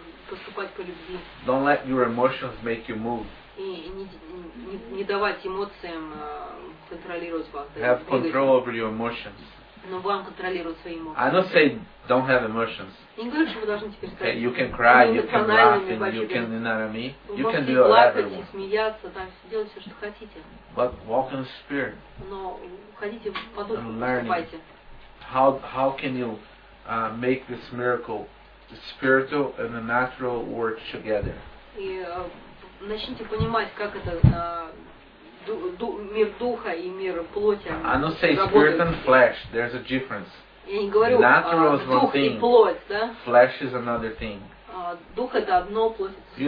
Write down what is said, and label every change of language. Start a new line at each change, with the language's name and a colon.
Russian: Поступать по любви.
English: Don't let your emotions make you move.
Russian: И не давать эмоциям контролировать вас.
English: Have control over your emotions.
Russian: Но вам контролировать свои эмоции.
English: I don't say don't have emotions.
Russian: Не говорю, что вы должны теперь сказать.
English: Okay, you can cry, you can laugh, and you can, you know what I mean? You can do whatever.
Russian: Можете плакать, смеяться, там, делать все, что хотите.
English: But walk in the spirit.
Russian: Но уходите в потоке, поступайте.
English: How can you make this miracle, the spiritual and the natural work together?
Russian: Начните понимать, как это мир духа и мир плоти работают.
English: I don't say spirit and flesh. There's a difference.
Russian: Я не говорю дух и плоть, да?
English: Flesh is another thing.
Russian: Дух это одно, плоть это другое.